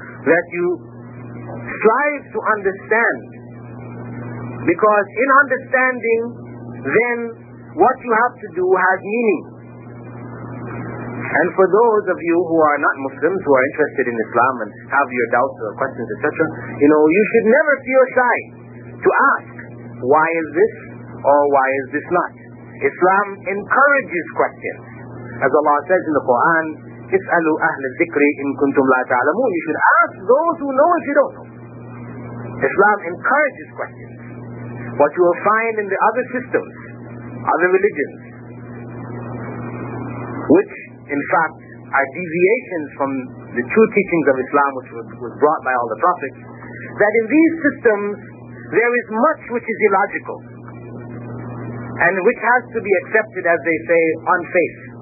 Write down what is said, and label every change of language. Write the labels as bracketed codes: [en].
[en] That you strive to understand. Because in understanding, then what you have to do has meaning. And for those of you who are not Muslims, who are interested in Islam and have your doubts or questions, etc., you know, you should never feel shy to ask, why is this or why is this not? Islam encourages questions. As Allah says in the Quran, [ar] اسألوا أهل الذكر إن كنتم لا تعلمون. [en] You should ask those who know if you don't know. Islam encourages questions. What you will find in the other systems, other religions, which in fact are deviations from the true teachings of Islam, which was brought by all the prophets, that in these systems there is much which is illogical and which has to be accepted, as they say, on faith.